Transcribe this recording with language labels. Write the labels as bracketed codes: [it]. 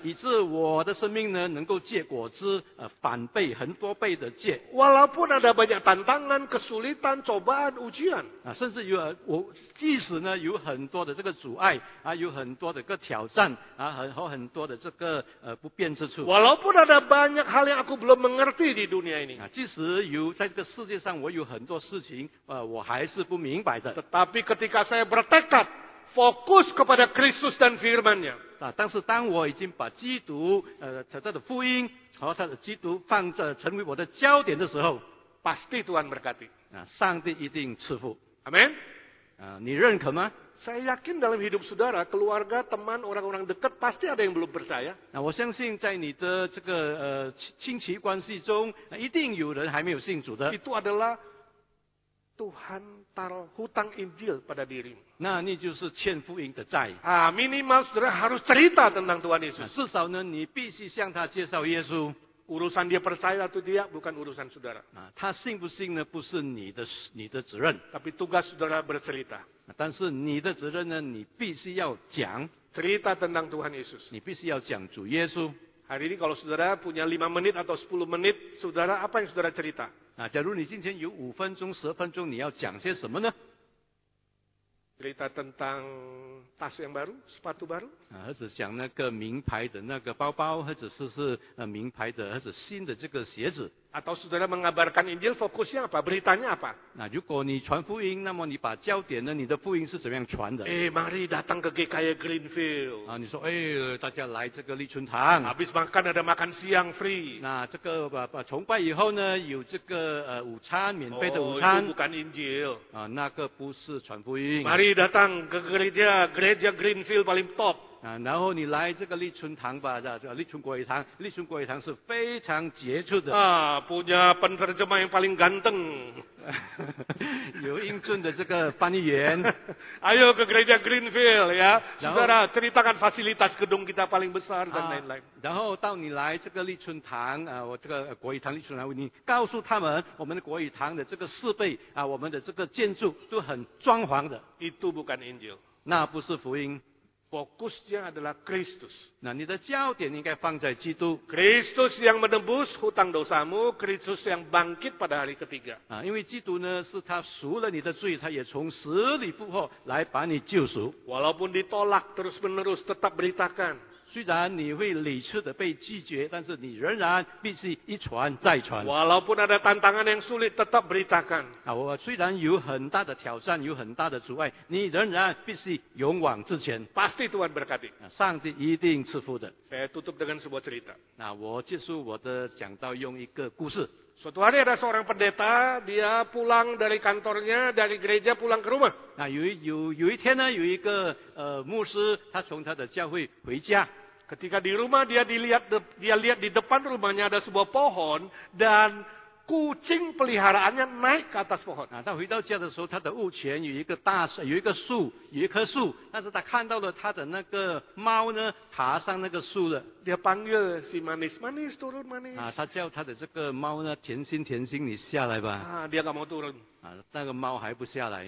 [zh] 以致我的生命呢能够结果子翻倍很多倍的结。 [id] Walaupun ada banyak tantangan, kesulitan, cobaan, ujian. [zh] 啊，甚至即使呢有很多的这个阻碍啊，有很多的个挑战啊，很多的这个不便之处。 [id] Walaupun ada banyak hal yang aku belum mengerti di dunia ini. [zh] 啊，即使有在这个世界上我有很多事情我还是不明白的。 [id] Tetapi ketika saya bertekad. Fokus kepada Kristus dan Firman-Nya. [zh] 啊，但是当我已经把基督他的福音和他的基督放在成为我的焦点的时候， [id] pasti Tuhan berkati. [zh] 啊，上帝一定赐福。 [id] Amen. [zh] 啊，你认可吗？ [id] Saya yakin dalam hidup saudara, keluarga, teman, orang-orang dekat pasti ada yang belum percaya. [zh] 那我相信在你的这个亲戚关系中，一定有人还没有信主的。 [id] Itu adalah Tuhan taruh hutang Injil pada dirimu. [zh] 那你就是欠福音的债。 [id] 啊 ，minimal saudara harus cerita tentang Tuhan Yesus。 [zh] 至少呢，你必须向他介绍耶稣。 [id] Urusan dia percaya atau tidak bukan urusan saudara。 [zh] 啊，他信不信呢，不是你的责任。 [id] Tapi tugas saudara bercerita。 [zh] 但是你的责任呢，你必须要讲。 [id] Cerita tentang Tuhan Yesus。 [zh] 你必须要讲主耶稣。 [id] Hari ini kalau saudara punya 5 menit atau 10 menit, saudara apa yang saudara cerita？ [zh] 啊，假如你今天有五分钟、十分钟，你要讲些什么呢？ [id] cerita tentang tas yang baru, sepatu baru. [zh] 啊，或者讲那个名牌的那个包包，或者是名牌的或者新的这个鞋子。 [id] Atau saudara mengabarkan Injil, fokusnya apa? Beritanya apa? [zh] 那如果你传福音，那么你把焦点呢？你的福音是怎么样传的？ [id] Mari datang ke GKI Greenfield. [zh] 啊，你说大家来这个立春堂。 [id] Habis makan ada makan siang free. [zh] 那这个崇拜以后呢，有这个午餐免费的午餐。 [id] Oh, itu bukan Injil. [zh] 啊，那个不是传福音。 [id] Mari datang ke gereja Greenfield paling top. [zh] 啊，然后你来这个立春堂吧，立春国语堂，立春国语堂是非常杰出的。 [id] 啊 ，punya penerjemah yang paling ganteng， [zh] 有英俊的这个翻译员。 [id] Ayo ke gereja Greenfield ya， saudara ceritakan fasilitas gedung kita paling besar dan lain-lain。 [zh] 然后到你来这个立春堂我这个国语堂立春堂，你告诉他们我们的国语堂的这个设备我们的这个建筑都很装潢的。 [id] Itu bukan Injil， [zh] 那不是福音。 [id] Fokusnya adalah Kristus. [zh] Nah, 你的焦点应该放在基督。 [id] Kristus yang menebus hutang dosamu, Kristus yang bangkit pada hari ketiga. [zh] 啊, 因为基督呢,是他赎了你的罪,他也从死里复活来把你救赎。 [id] Walaupun ditolak terus-menerus, tetap beritakan. [zh] 虽然你会屡次的被拒绝,但是你仍然必须一传再传。 [id] Walaupun ada tantangan yang sulit, tetap beritakan. [zh] 啊, 虽然有很大的挑战,有很大的阻碍,你仍然必须勇往直前。 [id] Pasti Tuhan berkati. [zh] 啊, 上帝一定赐福的。 [id] Saya tutup dengan sebuah cerita. [zh] 啊, 我结束我的讲道用一个故事。 [id] Suatu hari ada seorang pendeta, dia pulang dari kantornya, dari gereja pulang ke rumah. [zh] Nah, 有一天呢，有一个牧师，他从他的教会回家。 [id] Ketika di rumah dia lihat di depan rumahnya ada sebuah pohon dan kucing peliharaannya naik ke atas pohon. [zh] Nah, 他回到家的时候，他的屋前有一个树，但是他看到了他的那个猫呢，爬上那个树了。 [id] Dia panggil si manis-manis turun manis. [zh] 他叫他的这个猫呢，甜心甜心，你下来吧。 [id] Dia nggak mau turun. [zh] 那个猫还不下来。